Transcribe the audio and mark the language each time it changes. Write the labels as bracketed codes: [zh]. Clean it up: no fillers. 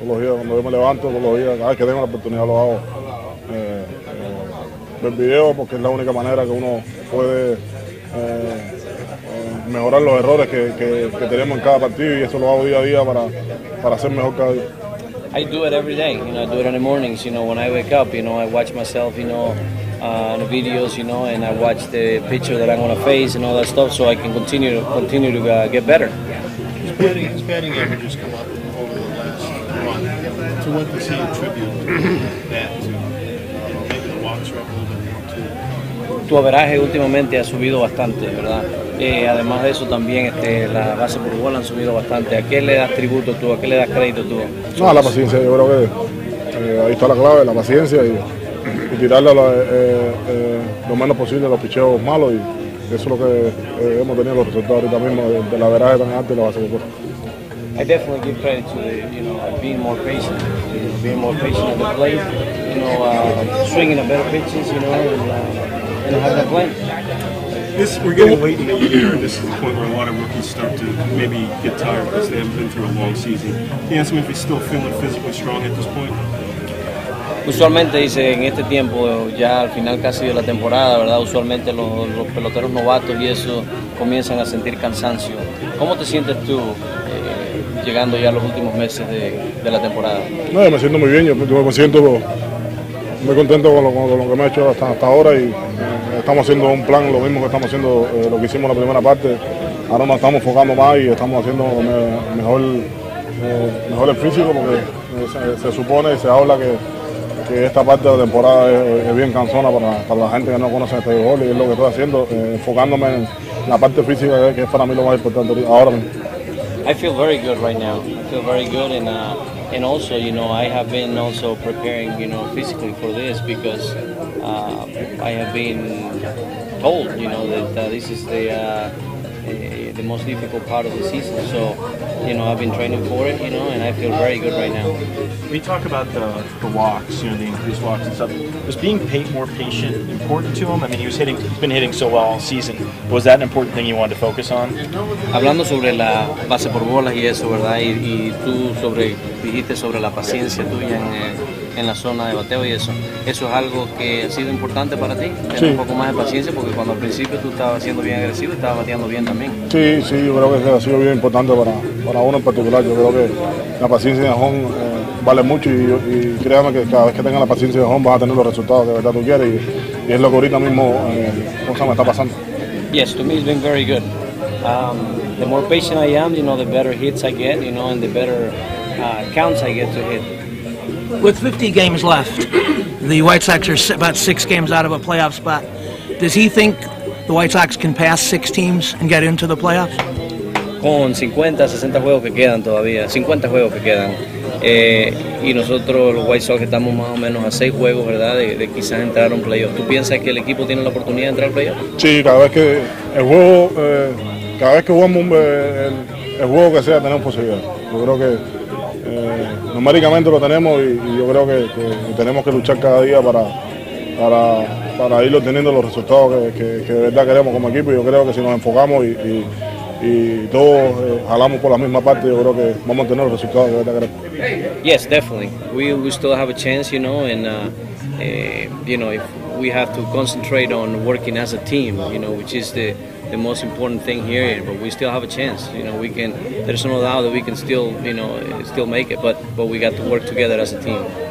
[es] Todos los días, cuando yo me levanto, todos los días, cada vez que tengo la oportunidad, lo hago. Ver video, porque es la única manera que uno puede mejorar los errores que tenemos en cada partido, y eso lo hago día a día para ser mejor cada día. [en] I do it every day, you know. I do it in the mornings, you know, when I wake up, you know, I watch myself, you know, on the videos, you know, and I watch the pitcher that I'm going to face and all that stuff, so I can continue to get better. His batting average has come up over the last month. So what does he attribute that to? Maybe the walks are a little bit more too. [es] tu average últimamente ha subido bastante, ¿verdad? Además de eso también la base por bola han subido bastante. ¿A qué le das tributo tú? ¿A qué le das crédito tú? No, a la paciencia, yo creo que ahí está la clave, la paciencia y tirarle lo menos posible los picheos malos y eso es lo que hemos tenido los resultados ahorita mismo de la average tan alta y la base por bola. [en] I definitely give credit to being more patient at the plate, swinging a better pitches, and having a plan. We're getting late in the year, and this is the point where a lot of rookies start to maybe get tired because they haven't been through a long season. Can you ask me if he's still feeling physically strong at this point? [es] Usualmente dice en este tiempo, ya al final casi de la temporada, ¿verdad? Usualmente los peloteros novatos y eso comienzan a sentir cansancio. ¿Cómo te sientes tú llegando ya a los últimos meses de la temporada? No, yo me siento muy bien, yo me siento muy contento con lo que me ha hecho hasta ahora y estamos haciendo un plan, lo mismo que estamos haciendo, lo que hicimos en la primera parte. Ahora nos estamos enfocando más y estamos haciendo mejor el físico porque se supone y se habla que esta parte de la temporada es bien cansona para la gente que no conoce este gol y es lo que estoy haciendo, enfocándome en la parte física que es para mí lo más importante ahora mismo. [en] I feel very good right now. I feel very good and also, I have been also preparing, physically for this because I have been told, that this is the most difficult part of the season. So, I've been training for it, and I feel very good right now. We talk about the walks, the increased walks and stuff. Was being more patient important to him? I mean, he's been hitting so well all season. But was that an important thing you wanted to focus on? [es] Hablando sobre la base por bolas y eso, ¿verdad? Y tú sobre dijiste sobre la paciencia tuya en la zona de bateo y eso. ¿Eso es algo que ha sido importante para ti? Tener sí. Un poco más de paciencia porque cuando al principio tú estabas siendo bien agresivo, estabas bateando bien también. Sí, sí, yo creo que ha sido bien importante para uno en particular. Yo creo que la paciencia de home vale mucho y créame que cada vez que tengas la paciencia de home vas a tener los resultados que de verdad tú quieres y es lo que ahorita mismo me está pasando. [en] Yes, to me it's been very good. The more patient I am, the better hits I get, and the better counts I get to hit. With 50 games left, the White Sox are about 6 games out of a playoff spot. Does he think the White Sox can pass 6 teams and get into the playoffs? [es] Con 50, 60 juegos que quedan todavía, 50 juegos que quedan. Y nosotros los White Sox estamos más o menos a 6 juegos, ¿verdad? De quizás entrar a un playoff. ¿Tú piensas que el equipo tiene la oportunidad de entrar al playoff? Sí, cada vez que jugamos el juego que sea, tenemos posibilidad. Yo creo que numéricamente lo tenemos y yo creo que tenemos que luchar cada día para ir obteniendo los resultados que de verdad queremos como equipo. Yo creo que si nos enfocamos y todos jalamos por la misma parte, yo creo que vamos a tener los resultados que de verdad queremos. [en] Yes, definitely. We still have a chance, if we have to concentrate on working as a team, which is the most important thing here, but we still have a chance. We can. There's no doubt that we can still, still make it. But we got to work together as a team.